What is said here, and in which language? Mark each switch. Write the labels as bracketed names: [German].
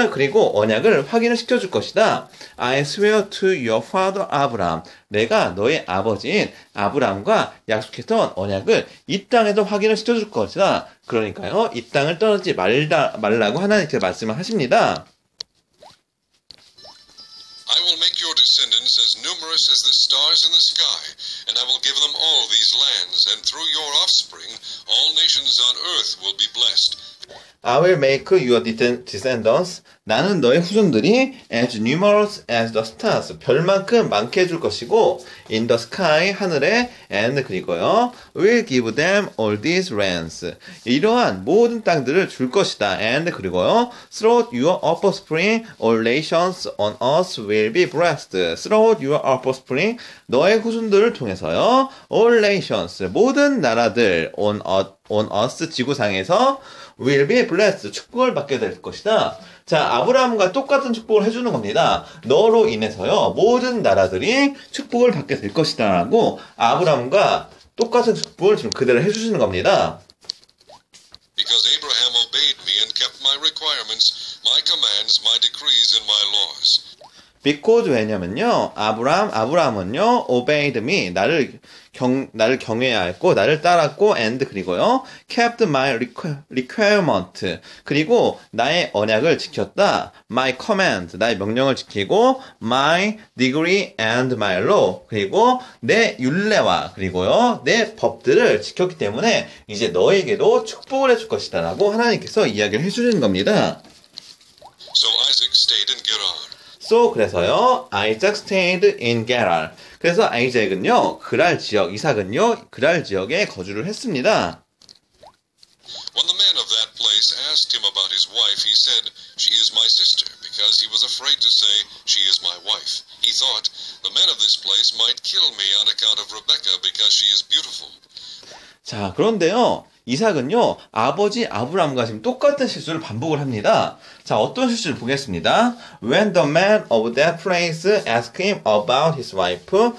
[Korean] 그리고 언약을 확인을 시켜줄 것이다. [English] I swear to your father Abraham. [Korean] 내가 너의 아버지인 아브라함과 약속했던 언약을 이 땅에서 확인을 시켜줄 것이다. 그러니까요, 이 땅을 떠나지 말라고 하나님께서 말씀을 하십니다. [English] I will make your descendants as numerous as the stars in the sky, and I will give them all these lands, and through your offspring, all nations on earth will be blessed. I will make your descendants, [Korean] 나는 너의 후손들이 [English] as numerous as the stars, [Korean] 별만큼 많게 해줄 것이고, [English] in the sky, [Korean] 하늘에, and 그리고요, [English] will give them all these lands. [Korean] 이러한 모든 땅들을 줄 것이다. [English] And [Korean] 그리고요, [English] through your offspring, all nations on earth will be blessed. Through your offspring, [Korean] 너의 후손들을 통해서요, [English] all nations, [Korean] 모든 나라들 [English] on earth, [Korean] 지구상에서 [English] will be blessed. [Korean] 축복을 받게 될 것이다. 자, 아브라함과 똑같은 축복을 해주는 겁니다. 너로 인해서요, 모든 나라들이 축복을 받게 될 것이다. 라고 아브라함과 똑같은 축복을 지금 그대로 해주시는 겁니다. [English] Because Abraham obeyed me and kept my requirements, my commands, my decrees, and my laws. [Korean] Because 왜냐면요, 아브라함은요, [English] obeyed me, [Korean] 나를 경외하였고, 나를 따랐고, and 그리고요, [English] kept my requirement, [Korean] 그리고 나의 언약을 지켰다, [English] my command, [Korean] 나의 명령을 지키고, [English] my degree and my law, [Korean] 그리고 내 율례와, 그리고요, 내 법들을 지켰기 때문에, 이제 너에게도 축복을 해줄 것이다, 라고 하나님께서 이야기를 해주시는 겁니다. [English] So Isaac stayed in Gerar. So, [Korean] 그래서요, [English] Isaac stayed in Gerar. [Korean] 그래서 아이작은요, 그랄 지역, 이삭은요, 그랄 지역에 거주를 했습니다. [English] When the man of that place asked him about his wife, he said, She is my sister, because he was afraid to say, She is my wife. He thought, the men of this place might kill me on account of Rebecca, because she is beautiful. [Korean] 자, 그런데요, 이삭은요, 아버지 아브라함과 지금 똑같은 실수를 반복을 합니다. 자, 어떤 실수를 보겠습니다. [English] When the man of that place asked him about his wife.